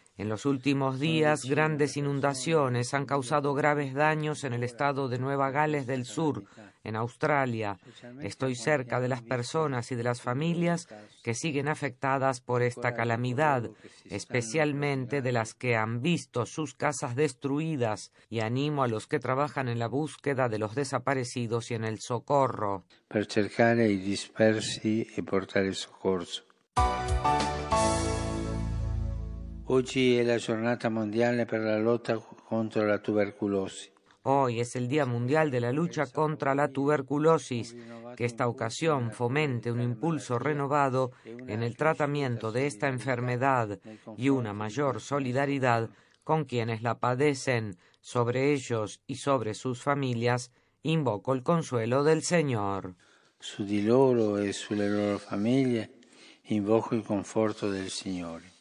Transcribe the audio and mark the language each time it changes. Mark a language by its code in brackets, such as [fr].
[es] En los últimos días, grandes inundaciones han causado graves daños en el estado de Nueva Gales del Sur, en Australia. Estoy cerca de las personas y de las familias que siguen afectadas por esta calamidad, especialmente de las que han visto sus casas destruidas, y animo a los que trabajan en la búsqueda de los desaparecidos y en el socorro. [it] Per cercare i dispersi e portare soccorso. Oggi è la giornata mondiale per la lotta contro la tubercolosi. [es] Hoy es el Día Mundial de la Lucha contra la Tuberculosis. Que esta ocasión fomente un impulso renovado en el tratamiento de esta enfermedad y una mayor solidaridad con quienes la padecen, sobre ellos y sobre sus familias, invoco el consuelo del Señor. [it] Su di loro e sulle loro famiglie invoco il conforto del Signore.